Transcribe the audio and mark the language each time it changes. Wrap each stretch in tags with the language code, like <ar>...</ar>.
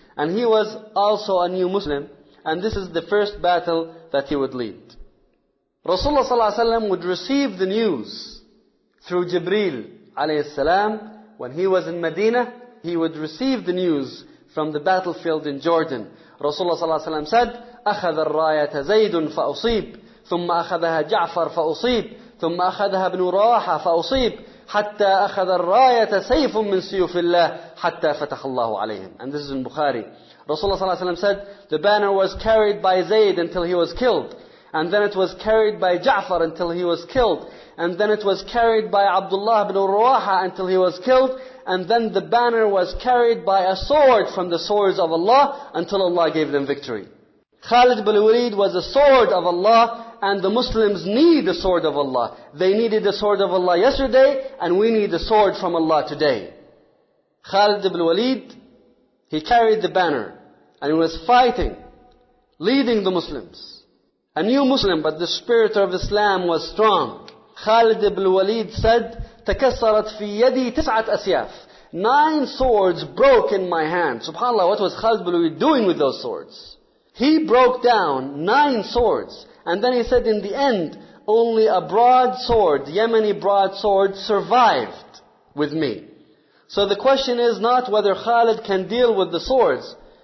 <en>And he was also a new Muslim. And this is the first battle that he would lead. Rasulullah sallallahu alayhi wa sallam would receive the news through Jibreel alayhi salam. When he was in Medina, he would receive the news from the battlefield in Jordan. Rasulullah sallallahu alayhi wa sallam said,</en> <ar>أَخَذَ الرَّايَةَ زَيْدٌ فَأُصِيبْ ثُمَّ أَخَذَهَا جَعْفَرْ فَأُصِيبْ ثُمَّ أَخَذَهَا بْنُ رَوَاحَ فَأُصِيبْ حَتَّى أَخَذَ الرَّايَةَ سَيْفٌ مِّن سِيُوفِ اللَّهِ حَتَّى فَتَحَ اللَّهُ عَلَيْهِمْ.</ar> <en>And this is in Bukhari. Rasulullah sallallahu alayhi wa sallam said, the banner was carried by Zayd until he was killed. And then it was carried by Ja'far until he was killed. And then it was carried by Abdullah ibn Rawaha until he was killed. And then the banner was carried by a sword from the swords of Allah until Allah gave them victory. Khalid ibn Walid was a sword of Allah, and the Muslims need the sword of Allah. They needed the sword of Allah yesterday, and we need the sword from Allah today. Khalid ibn Walid, he carried the banner, and he was fighting, leading the Muslims. A new Muslim, but the spirit of Islam was strong. Khalid ibn Walid said,</en> <ar>تَكَسَّرَتْ فِي يَدِي تِسْعَةْ أَسْيَافِ.</ar> <en>9 swords broke in my hand. SubhanAllah, what was Khalid ibn Walid doing with those swords? He broke down 9 swords. And then he said, in the end, only a broadsword, Yemeni broadsword, survived with me. So the question is not whether Khalid can deal with the swords.</en>